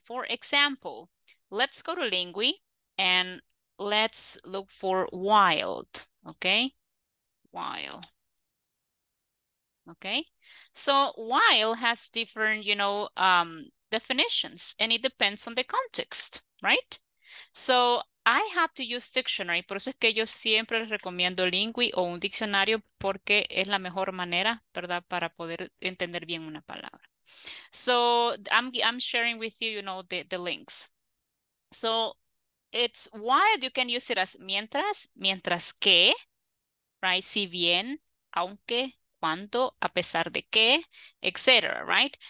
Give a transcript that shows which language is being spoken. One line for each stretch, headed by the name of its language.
English: For example, let's go to lingui and let's look for wild, okay? While. Okay, so while has different, you know, definitions, and it depends on the context, right? So I have to use dictionary.
Spanish: Por eso es que yo siempre les recomiendo lingui o un diccionario porque es la mejor manera, ¿verdad? Para poder entender bien una palabra.
English: So I'm sharing with you, you know, the links. So it's while, you can use it as
Spanish: mientras que,
English: right?
Spanish: Si bien, aunque, cuando, a pesar de que, etc., right?